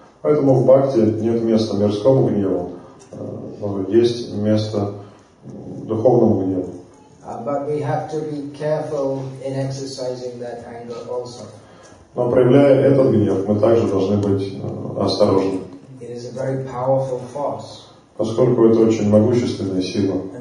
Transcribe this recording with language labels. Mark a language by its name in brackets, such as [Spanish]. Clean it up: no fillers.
[Russian] Поэтому в бхакти нет места мирскому гневу, но есть место духовному гневу. [English] But we have to be careful in exercising that anger also. [Russian] Но проявляя этот гнев, мы также должны быть осторожны. [English] It is a very powerful force. [Russian] Поскольку это очень могущественная сила.